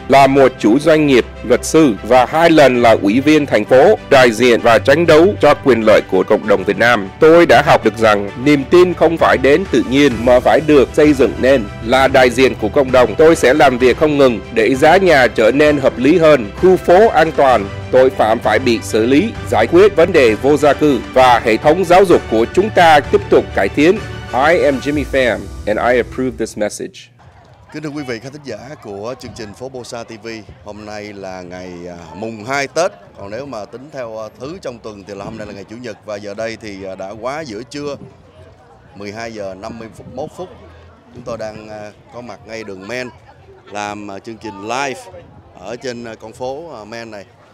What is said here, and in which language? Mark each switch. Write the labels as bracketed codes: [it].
[vi] Là một chủ doanh nghiệp, luật sư và hai lần là ủy viên thành phố, đại diện và tranh đấu cho quyền lợi của cộng đồng Việt Nam, tôi đã học được rằng niềm tin không phải đến tự nhiên mà phải được xây dựng nên. Là đại diện của cộng đồng, tôi sẽ làm việc không ngừng để giá nhà trở nên hợp lý hơn, khu phố an toàn. Tội phạm phải bị xử lý, giải quyết vấn đề vô gia cư và hệ thống giáo dục của chúng ta tiếp tục cải tiến. [en] I am Jimmy Pham and I approve this message. [vi] Kính thưa quý vị khán thính giả của chương trình Phố Bosa TV, hôm nay là ngày mùng 2 Tết, còn nếu mà tính theo thứ trong tuần thì là hôm nay là ngày Chủ nhật, và giờ đây thì đã quá giữa trưa, 12:51. Chúng tôi đang có mặt ngay đường Main làm chương trình live ở trên con phố Main này.